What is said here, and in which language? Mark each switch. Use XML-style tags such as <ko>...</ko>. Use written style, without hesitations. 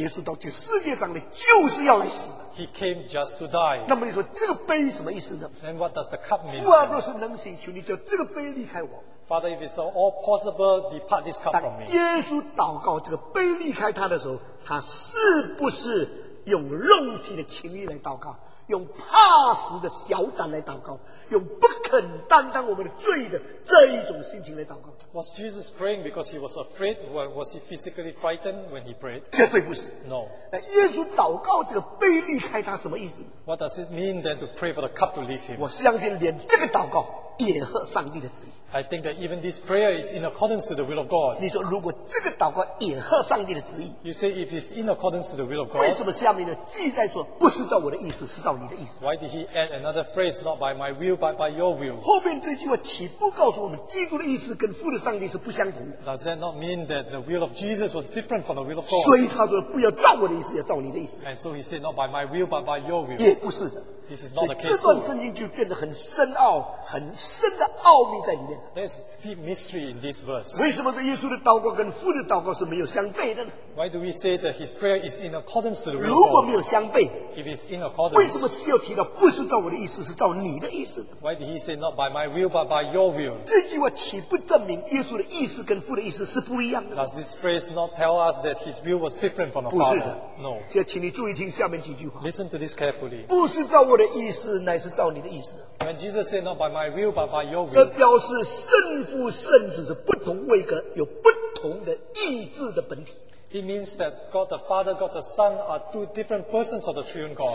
<zh>耶稣到这世界上来就是要来死的。</zh> <en>He came just to die.</en> <zh>那么你说这个杯什么意思呢？</zh> <en>Then what does the cup mean?</en> <zh>父啊，若是能行，求你叫这个杯离开我。</zh> <en>Father, if it's all possible, depart this cup from me.</en> <zh>当耶稣祷告这个杯离开他的时候，他是不是用肉体的情欲来祷告？用怕死的小胆来祷告，用不肯担当我们的罪的这一种心情来祷告。</zh> <en>Was Jesus praying because he was afraid? Was he physically frightened when he prayed?</en> <zh>绝对不是。</zh> <en>No.</en> <zh>那耶稣祷告这个杯离开他什么意思？</zh> <en>What does it mean then to pray for the cup to leave him?</en> <zh>我相信连这个祷告也合上帝的旨意。</zh> <en>I think that even this prayer is in accordance to the will of God.</en> <zh>你说如果这个祷告也合上帝的旨意，</zh> <en>You say if it's in accordance to the will of God.</en> <zh>为什么下面呢？记载说不是照我的意思，是照你的意思。</zh> <en>Why did he add another phrase? Not by my will, but by your will.</en> <zh>后面这句话岂不告诉我们基督的意思跟父的上帝是不相同的？</zh> <en>Does that not mean that the will of Jesus was different from the will of God?</en> <zh>所以他说不要照我的意思，要照你的意思。</zh> <en>And so he said not by my will, but by your will.</en> <zh>也不是的。这段圣经就变得很深奥，很深的奥秘在里面。</zh> <en>There's deep mystery in this verse.</en> <zh>为什么耶稣的祷告跟父的祷告是没有相悖的呢？</zh> <en>Why do we say that his prayer is in accordance to the will?</en> <zh>如果没有相悖，</zh> <en>if it's in accordance，</en> <zh>为什么需要提到不是照我的意思，是照你的意思？</zh> <en>Why did he say not by my will but by your will?</en> <zh>这句话岂不证明耶稣的意思跟父的意思是不一样的？</zh> <en>Does this phrase not tell us that his will was different from the Father?</en> <zh>不是的。</zh> <en>No.</en> <zh>现在请你注意听下面几句话。</zh> <en>Listen to this carefully.</en> <zh>不是照我的意思，乃是照你的意思。</zh> <en>When Jesus said not by my will but by your will，</en> <zh>这表示圣父圣子是不同位格，有不同的意志的本体。</zh> <en>It means that God the Father, God the Son are two different persons of the Triune God.</en>